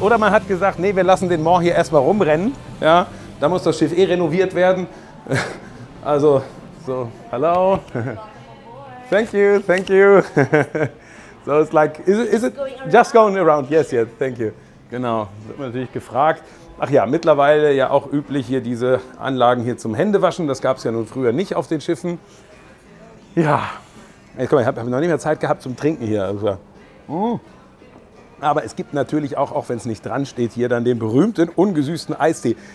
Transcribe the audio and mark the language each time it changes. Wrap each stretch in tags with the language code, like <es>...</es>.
<de>Oder man hat gesagt, nee, wir lassen den Mont hier erstmal rumrennen. Ja, da muss das Schiff eh renoviert werden. Also, so, hallo.</de> <en>Thank you. So it's like, is it just going around? Yes, thank you.</en> <de>Genau, wird man natürlich gefragt. Ach ja, mittlerweile ja auch üblich hier diese Anlagen hier zum Händewaschen. Das gab es ja nun früher nicht auf den Schiffen. Ja, jetzt, komm, ich habe noch nicht mehr Zeit gehabt zum Trinken hier. Also, aber es gibt natürlich auch, auch wenn es nicht dran steht, hier dann den berühmten ungesüßten Eistee.</de>